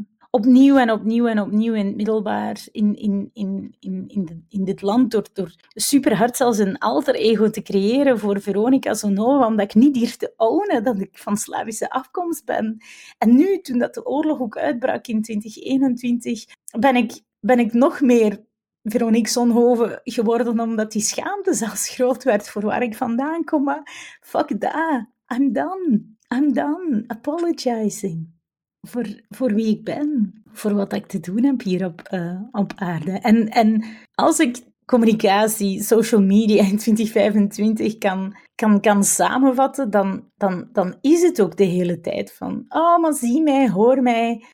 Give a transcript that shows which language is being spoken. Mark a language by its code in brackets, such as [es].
[nl] Opnieuw en opnieuw en opnieuw in het middelbaar, in dit land, door superhard zelfs een alter ego te creëren voor Veronica Zonova, omdat ik niet durf te ownen dat ik van Slavische afkomst ben. En nu, toen dat de oorlog ook uitbrak in 2021, ben ik nog meer Veronique Zonhoven geworden, omdat die schaamte zelfs groot werd voor waar ik vandaan kom. Maar [en] fuck that, I'm done, apologizing. [nl] Voor wie ik ben, voor wat ik te doen heb hier op aarde. En als ik communicatie, social media in 2025 kan samenvatten, dan is het ook de hele tijd van, oh, maar zie mij, hoor mij.